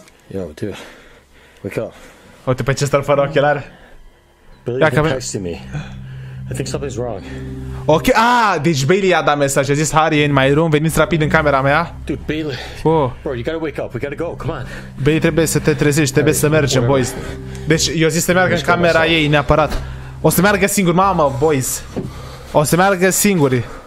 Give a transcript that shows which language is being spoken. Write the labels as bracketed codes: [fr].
[en] Yo, dude. Wake up. [ro] Uite pe ce stă fără ochelari. [en] Billy, you're texting me. I think something's wrong. [ro] Ok, deci Bailey a dat mesaj, a zis, Harry, e [en] in my room, [ro] veniți rapid în camera mea. [en] Dude, Bailey, bro, you gotta wake up, we gotta go, come on. [ro] Bailey, trebuie să te trezești, trebuie să mergem, boys. Deci, eu zis să meargă în camera ei, neapărat. O să meargă singur, mamă, boys. O să meargă singuri.